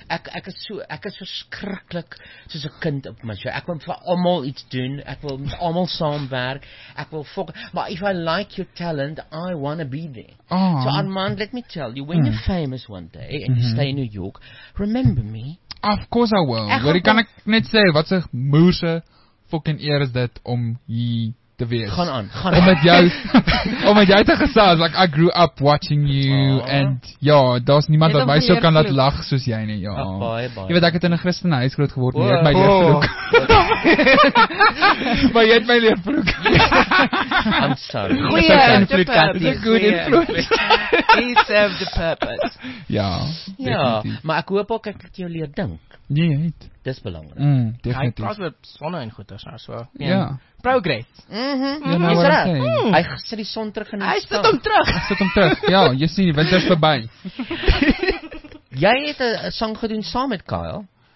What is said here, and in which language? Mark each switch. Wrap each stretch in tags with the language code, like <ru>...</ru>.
<af>Ek is verskriklik soos 'n kind op my show. Ek wil vir almal iets doen. Ek wil met almal saamwerk. Ek wil fok.</af> <en>But if I like your talent, I want to be there. Oh. So Armand, let me tell you, when you're famous one day and you stay in New York, remember me. Of course I will.</en> <af>Wat kan ek net sê? Wat 'n moerse fucking eer is dit om hier te wees. Gaan aan. Om met jou te gesels.</af> <en>Like I grew up watching you</en> <af>and ja, daar's niemand wat my so kan laat lag soos jy nie. Ja. Baie. Jy weet ek het in 'n Christen huis groot geword en jy het my leerbroek. Maar jy het my leerbroek.</af> <en>I'm sorry.</en> <af>Goeie implikasie.</af> <en>It's a good influence. He served the purpose.</en> <af>Ja. Ja, maar ek hoop ook ek het jou leer dink. Nee, jy het. Dis belangrik. Mm, definitief. Hy praat oor sonne en goeie dinge so. Ja.</af> <en>Progress. Mhm.</en> <af>Is dit? Hy sit die son terug in. Hy sit hom terug. Hy sit hom terug. Ja, jy sien die winter is verby. Jy het 'n song gedoen saam met Kyle.</af>